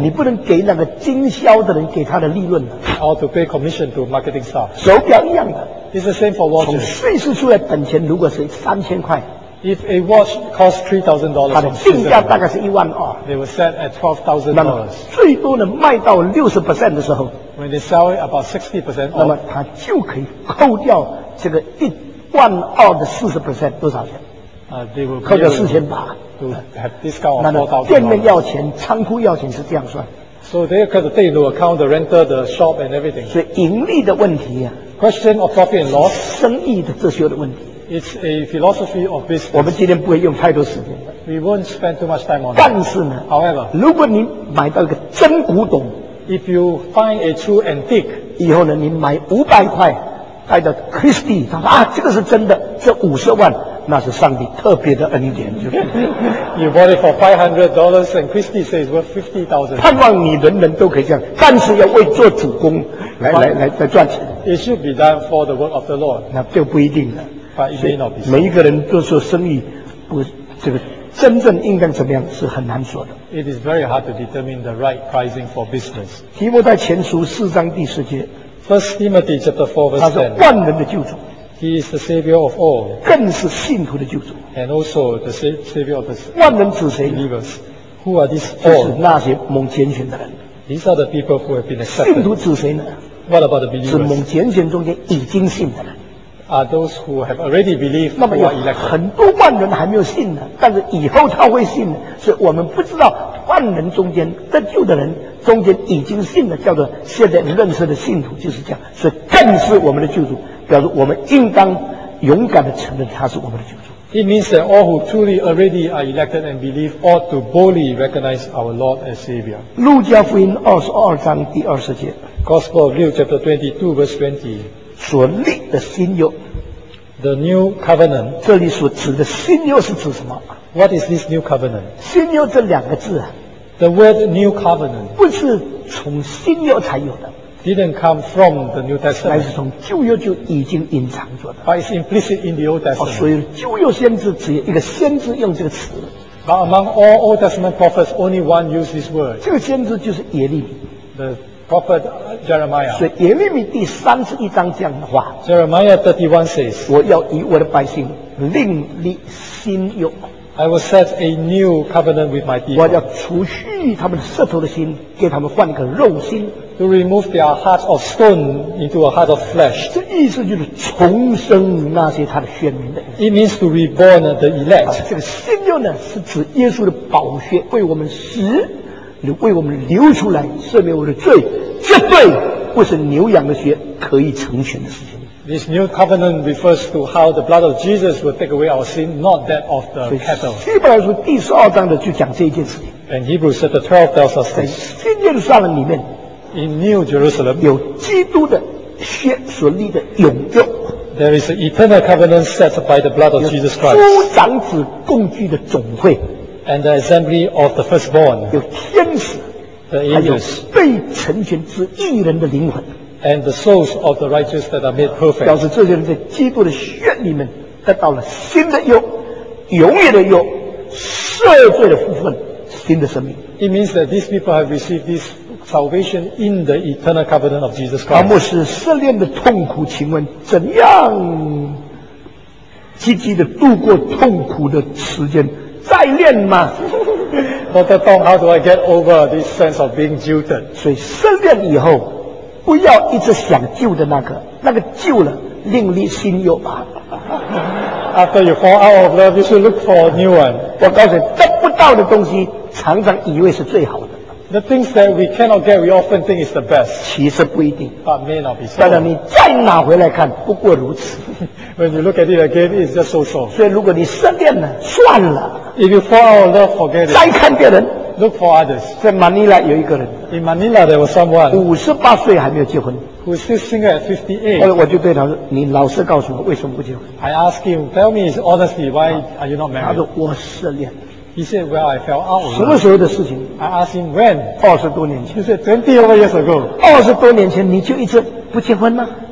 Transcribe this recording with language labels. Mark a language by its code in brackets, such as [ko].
[zh] 你不能给那个经销的人给他的利润了。 [en] Or to pay commission to marketing staff. [zh] 手表一样的。 [en] It's the same for watches. [zh] 从瑞士出来本钱如果是3000块 [en] ，If a watch costs $3,000, [zh] 它的定价大概是12,000。 [en] They were set at $12,000. [zh] 最多能卖到60%的时候 [en] ，When they sell it about 60% off, [zh] 那么它就可以扣掉这个12,000的40%多少钱？ [en] They will [zh] 扣掉4800。 [en] To have discount of $4,000. [zh] 那么店面要钱，仓库要钱是这样算。 [en] So they have to take into account the rental, the shop and everything. [zh] 是盈利的问题啊。 [en] Question of profit and loss. [zh] 生意的哲学的问题。 [en] It's a philosophy of business. [zh] 我们今天不会用太多时间。 [en] We won't spend too much time on it. [zh] 但是呢 [en] ，However， [zh] 如果你买到一个真古董 [en] ，If you find a true antique， [zh] 以后呢，你买500块带到 Christie， 他说啊，这个是真的，这50万那是上帝特别的恩典。 [en] You bought it for $500 and Christie says worth $50,000. [zh] 盼望你人人都可以这样，但是要为做主公来赚钱。 [en] It should be done for the work of the Lord. [zh] 那就不一定了。 [en] But it may not be so. [zh] 每一个人都说生意不这个真正应该怎么样是很难说的。 [en] It is very hard to determine the right pricing for business. [zh] 提摩太前书4:10 [en] First Timothy chapter 4 verse 10. [zh] 他是万人的救主。 [en] He is the savior of all. [zh] 更是信徒的救主。 [en] And also the savior of the believers. [zh] 万人指谁？ [en] Believers. Who are these all? [zh] 就是那些蒙拣选的人。 [en] These are the people who have been accepted. [zh] 信徒指谁呢？ [en] What about the believers? [zh] 是蒙拣选中间已经信的人。 [en] Are those who have already believed? [zh] 那么有很多万人还没有信呢，但是以后他会信的，所以我们不知道万人中间得救的人中间已经信了，叫做现在认识的信徒就是这样，所以更是我们的救主，表示我们应当勇敢地承认他是我们的救主。 [en] It means that all who truly already are elected and believe ought to boldly recognize our Lord as Savior. [zh] 路加福音22:20 [en] Gospel of Luke chapter 22 verse 20。 [zh] 所立的新约 [en] ，the new covenant， [zh] 这里所指的新约是指什么 [en] ？What is this new covenant？ [zh] 新约这两个字 [en] ，the word new covenant， [zh] 不是从新约才有的 [en] ，didn't come from the New Testament， [zh] 而是从旧约就已经隐藏着的 [en] ，but it's implicit in the Old Testament。 [zh] 所以旧约先知只有一个先知用这个词 [en] ，but among all Old Testament prophets， only one used this word。 [zh] 这个先知就是耶利米。 [en] Prophet Jeremiah. [zh] 所以耶利米第31这样的话 [en] ，Jeremiah 31 says， [zh] 我要与我的百姓另立新约。 [en] I will set a new covenant with my people. [zh] 我要除去他们舌头的心，给他们换一个肉心。 [en] To remove their hearts of stone into a heart of flesh. [zh] 这意思就是重生那些他的选民的。 [en] It means to reborn the elect.、 [zh] 啊、这个新约呢，是指耶稣的宝血为我们死。你为我们流出来赦免我的罪，这罪不是牛羊的血可以成全的事情。 [en] This new covenant refers to how the blood of Jesus will take away our sin, not that of the cattle. [zh] 希伯来书12的就讲这一件事情。 [en] And Hebrews chapter 12 tells us this. [zh] 新耶路撒冷里面 [en] ，In New Jerusalem， [zh] 有基督的血所立的永约。 [en] There is an eternal covenant set by the blood of Jesus Christ. [zh] 有诸长子共聚的总会。 [en] And the assembly of the firstborn, [zh] 有天使 [en] the angels, [zh] 还有被成全之义人的灵魂 [en] and the souls of the righteous that are made perfect, [zh] 表示这些人在基督的血里面得到了新的约永远的约赦罪的福分新的生命 [en] It means that these people have received this salvation in the eternal covenant of Jesus Christ [zh] 阿牧师失恋的痛苦请问怎样积极地度过痛苦的时间再恋嘛 [en] Dr. Tong, how do I get over this sense of being jilted? [zh] 所以失恋以后不要一直想旧的那个旧了另立新约吧 [en] After you fall out of love, you should look for a new one. [zh] 我告诉你得不到的东西常常以为是最好的 [en] The things that we cannot get, we often think is the best. [zh] 其实不一定 [en] But may not be so. [zh] 当然你再拿回来看不过如此 [en] When you look at it again, it's just so. [zh] 所以如果你失恋了算了 [en] If you fall out of love, forget it. [zh] 再看别人 [en] Look for others. [zh] 在 Manila 有一个人 [en] In Manila, there was someone. [zh] 58还没有结婚 [en] Who is still single at 58. [zh] 后来我就对他说你老实告诉我为什么不结婚 [en] I ask him, tell me honestly, why are you not married? [zh] 他说我失恋 [en] He said, well, I fell out of love. [zh] 什么时候的事情 [en] I ask him, when? [zh] 20多年前 [en] He said, 20 over years ago. [zh] 20多年前你就一直不结婚吗